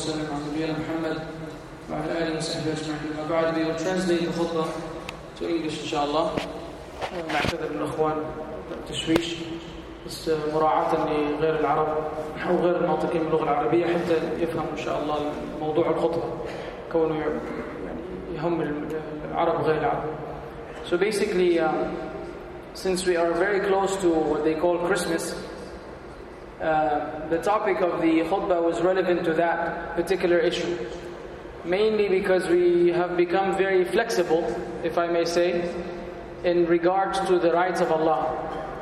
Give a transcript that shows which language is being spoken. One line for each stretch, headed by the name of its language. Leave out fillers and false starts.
Arabic: وسلم على نبينا محمد وعلى آله وصحبه أجمعين. ما بعد
English: we will translate the khutbah to English inshallah.
Arabic: نعتذر للإخوان تشويش بس مراعاة لغير العرب أو غير الناطقين باللغة العربية حتى يفهموا إن شاء الله موضوع الخطبة كونه يعني يهم العرب غير العرب.
English: So basically, since we are very close to what they call Christmas, the topic of the khutbah was relevant to that particular issue. Mainly because we have become very flexible, if I may say, in regards to the rights of Allah.